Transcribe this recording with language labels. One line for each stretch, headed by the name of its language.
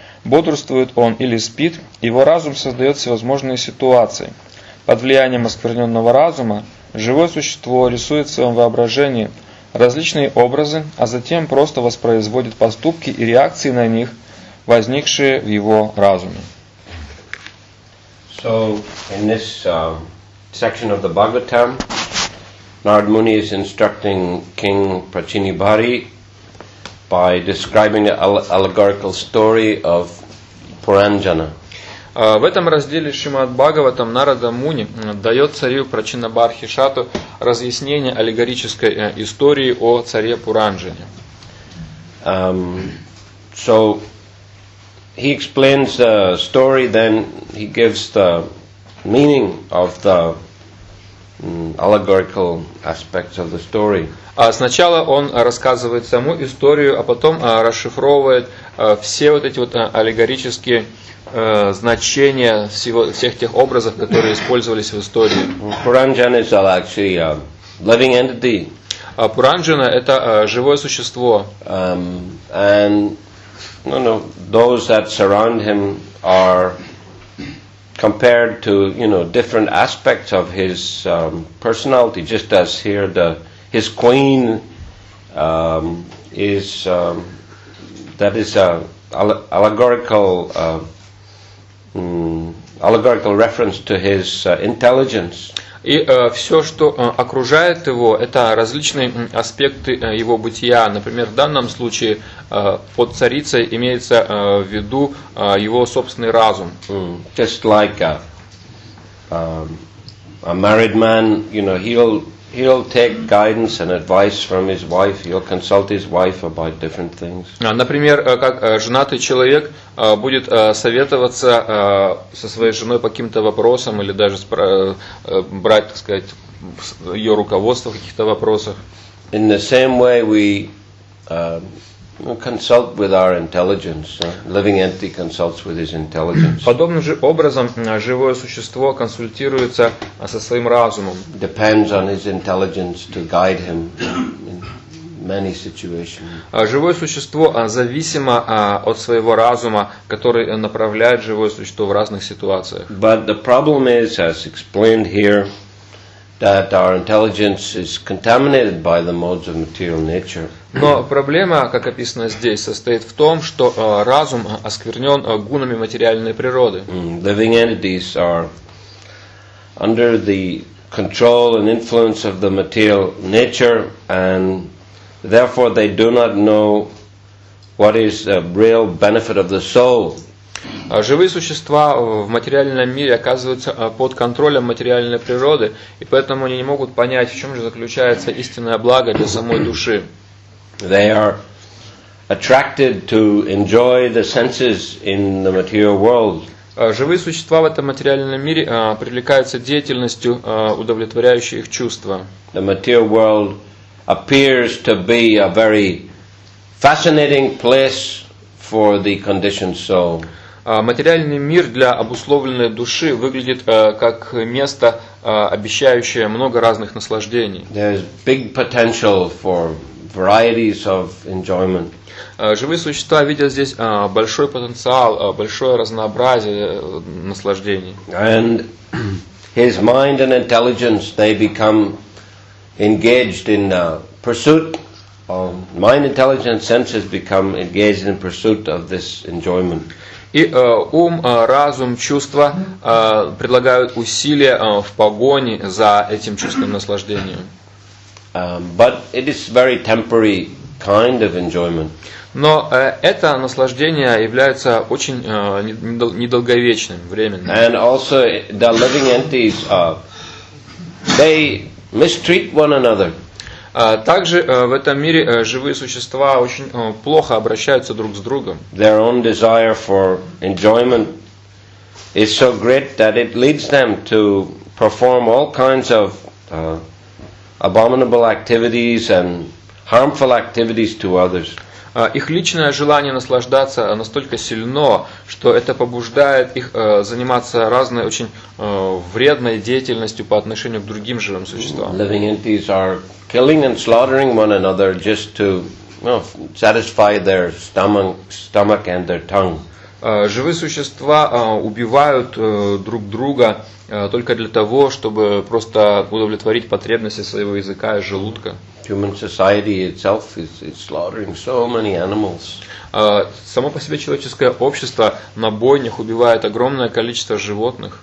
Russian: Бодрствует он или спит, его разум создает всевозможные ситуации. Под влиянием оскверненного разума живое существо рисует в своем воображении различные образы, а затем просто воспроизводит поступки и реакции на них, возникшие в его разуме.
English: So, in this section of the Bhagavatam, Narad Muni is instructing King Prachinibhari by describing an allegorical story of Puranjana.
Russian: В этом разделе Шримад Бхагаватам Нарада Муни дает царю Прачинабархи Шату разъяснение аллегорической истории о царе Пуранджане.
English: So, he explains the story, then he gives the meaning of the allegorical aspects of the story.
Russian: Сначала он рассказывает саму историю, а потом расшифровывает все вот эти вот аллегорические значения всех тех образов, которые использовались в истории.
English: Пуранджана is actually a living entity.
Russian: Пуранджана – это живое существо.
English: And those that surround him are compared to, different aspects of his personality, just as here his queen is that is a allegorical reference to his intelligence.
Russian: И все, что окружает его, это различные аспекты его бытия. Например, в данном случае под царицей имеется в виду его собственный разум.
English: Just like a married man, he'll take guidance and advice from his wife, he'll consult his wife about different things.
Russian: Например, как женатый человек будет советоваться со своей женой по каким-то вопросам или даже брать, так сказать, ее руководство в каких-то вопросах.
English: In the same way we Consult with our intelligence. Living entity consults with his intelligence.
Russian: Подобным же образом живое существо консультируется со своим разумом.
English: Depends on his intelligence to guide him in many situations.
Russian: Живое существо зависимо от своего разума, который направляет живое существо в разных ситуациях.
English: But the problem is, as explained here, that our intelligence is contaminated by the modes of material nature.
Russian: Но проблема, как описано здесь, состоит в том, что разум осквернен гунами материальной природы.
English: Living entities are under the control and influence of the material nature, and therefore they do not know what is the real benefit of the soul.
Russian: Живые существа в материальном мире оказываются под контролем материальной природы, и поэтому они не могут понять, в чем же заключается истинное благо для самой души.
English: They are attracted to enjoy the senses in the material world.
Russian: Живые существа в этом материальном мире привлекаются деятельностью, удовлетворяющей их чувства.
English: The material world appears to be a very fascinating place for the conditioned soul.
Russian: Материальный мир для обусловленной души выглядит как место, обещающее много разных наслаждений.
English: There is big potential for varieties of enjoyment.
Russian: Живые существа видят здесь большой потенциал, большое разнообразие наслаждений.
English: And his mind and intelligence, they become engaged in pursuit. Mind, intelligence, senses become engaged in pursuit of this enjoyment.
Russian: И ум, разум, чувства предлагают усилия в погоне за этим чувственным наслаждением.
English: But it is very temporary kind of enjoyment.
Russian: Но это наслаждение является очень недолговечным, временным.
English: And also the living entities, they mistreat one another.
Russian: Также в этом мире живые существа очень плохо обращаются друг с другом.
English: Their own desire for enjoyment is so great that it leads them to perform all kinds of abominable activities and harmful activities to others.
Russian: Их личное желание наслаждаться настолько сильно, что это побуждает их заниматься разной очень вредной деятельностью по отношению к другим живым существам.
English: Living entities are killing and slaughtering one another just to, satisfy their stomach and their tongue.
Russian: Живые существа убивают друг друга только для того, чтобы просто удовлетворить потребности своего языка и желудка.
English: Human society itself is slaughtering so many animals.
Russian: Само по себе человеческое общество на бойнях убивает огромное количество животных.